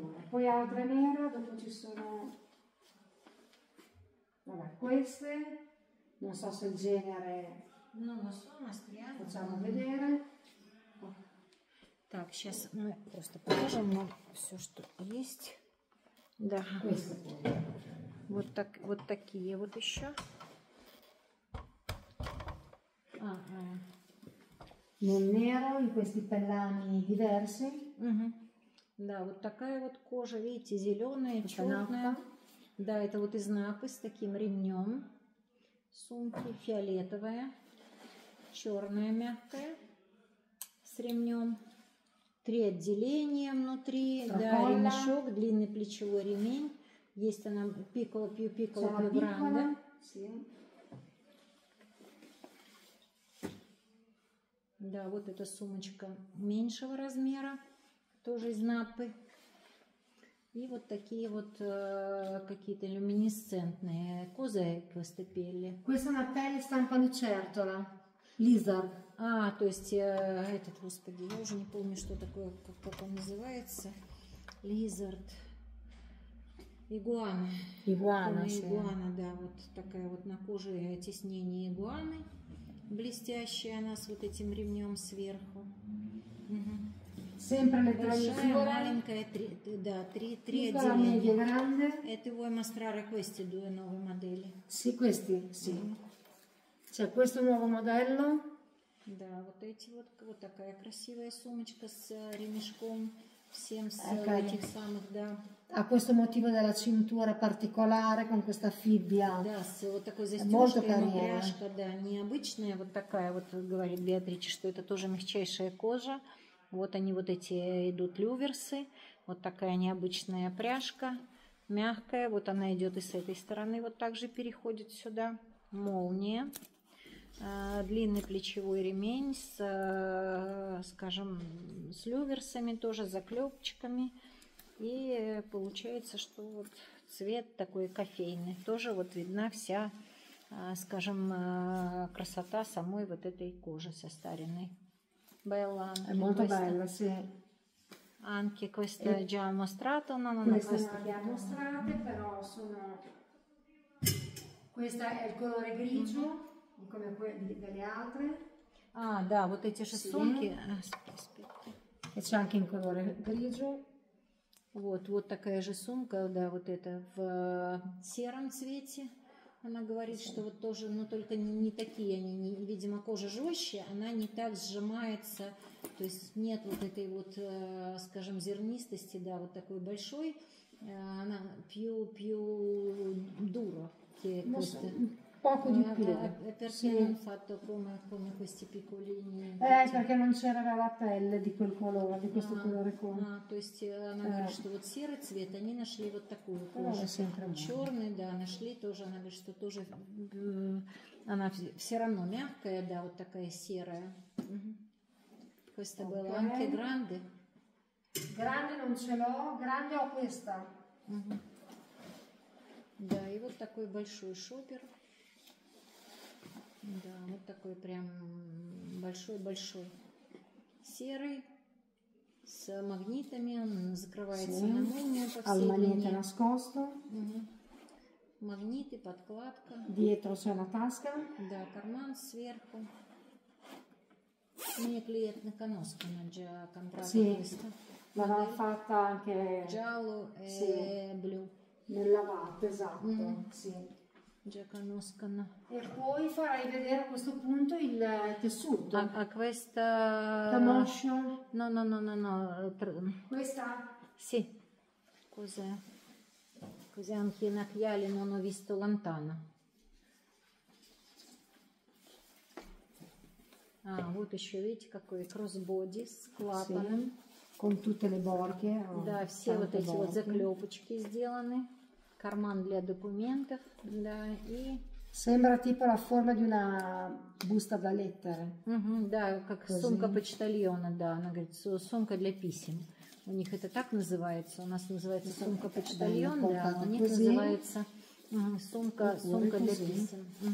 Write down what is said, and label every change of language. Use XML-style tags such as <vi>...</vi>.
<it>Poi альтранера, dopo ci sono, vabbè, queste, non so se il genere, non lo so, ma speriamo. Facciamo vedere.</it> <ru>Так, сейчас мы просто покажем вам все, что есть. Да. Вот так, вот такие вот еще.</ru> <it>Nero in questi pellami diversi.</it> <ru>Да, вот такая вот кожа, видите, зеленая, черная. Да, это вот из Напы с таким ремнем. Сумки фиолетовая, черная мягкая с ремнем. Три отделения внутри, Сокольно. Да, ремешок, длинный плечевой ремень. Есть она</ru> <it>пикола, пью пикола, пью гранда.</it> <ru>Да, вот эта сумочка меньшего размера, тоже из Напы. И вот такие вот какие-то люминесцентные.</ru> <it>Cos'è queste pelle? Questa è una pelle stampa lucertola.</it> <en>Lizard.</en> <ru>А, то есть этот, господи, я уже не помню, что такое, как он называется. Лизард. Игуана. Игуана. Игуана, да, вот такая вот на коже тиснение игуаны. блестящая она с вот этим ремнем сверху.</ru> <it>Sempre le</it> <ru>большая,</ru> <it>tre</it> <ru>маленькая, три, да, три отделения. Это вы</ru> <it>mostrare queste due nuove modelli. Sì, questi, sì. C'è questo nuovo modello.</it> <ru>Да, вот эти вот, вот такая красивая сумочка с ремешком, всем с этих самых, да.</ru> <it>A questo motivo della cintura particolare con questa fibbia.</it> <ru>Да, с вот такой застежкой, пряжка, да, необычная, вот такая вот, говорит Беатрича, что это тоже мягчайшая кожа. Вот они, вот эти идут люверсы, вот такая необычная пряжка, мягкая, вот она идет и с этой стороны, вот так же переходит сюда, молния. Длинный плечевой ремень с, скажем, с люверсами тоже, заклепочками. И получается, что вот цвет такой кофейный. Тоже вот видна вся, скажем, красота самой вот этой кожи состаренной.</ru> <it>Белла, molto bella, sì. Anche questa è già mostrata, no, non questa non l'abbiamo mostrata, però sono questa è il colore grigio. Come quelle altre.</it> <ru>Ah, да, вот эти же сумки.</ru> <it>Aspetta. E c'è anche in colore grigio.</it> <ru>Вот, вот такая же сумка, да, вот эта в сером цвете. Она говорит, что вот тоже, но только не такие они, не, видимо, кожа жестче, она не так сжимается, то есть нет вот этой вот, скажем, зернистости, да, вот такой большой. Она</ru> <it>più duro, che questo. Poco di più. E perché non ha fatto come questi piccolini? Perché non c'era la pelle di quel colore, di questo colore qua.</it> <ru>Ah, то есть она говорит, что вот серый цвет, они нашли вот такую кожу. Черный, да, нашли тоже, она говорит, что тоже она все равно мягкая, да, вот такая серая.</ru> <it>Questa</it> <ru>была</ru> <it>anche grande. Grande non ce l'ho, grande ho questa.</it> <ru>Да, и вот такой большой шопер. Да, вот такой прям большой-большой серый с магнитами, он закрывается на молнию по всей линии.</ru> <it>Al magnete nascosto.</it> <ru>Магниты, подкладка.</ru> <it>Dietro c'è una tasca.</it> <ru>Да, карман сверху. Мне клиент на коноске, она</ru> <it>già comprata questa. L'ha fatta anche... Giallo e blu. Nella lavata, esatto, sì. Già conoscono. E poi farai vedere a questo punto il tessuto. A questa. Camoscio? No. Questa? Sì. Cos'è? Cos'è anche in occhiali, non ho visto lontano.</it> <ru>Ah, вот еще видите, какой crossbody с клапаном.</ru> <it>Sì. Con tutte le borche.</it> <ru>Да, все вот эти borche. Вот заклепочки сделаны. Карман для документов, да, и...</ru> <it>Sembra tipo la forma di una busta da lettere.</it> <ru>Да, как</ru> <it>così.</it> <ru>Сумка почтальона, да, она говорит, сумка для писем. У них это так называется, у нас называется сумка почтальон, да, у них</ru> <it>così.</it> <ru>Называется сумка для писем.</ru>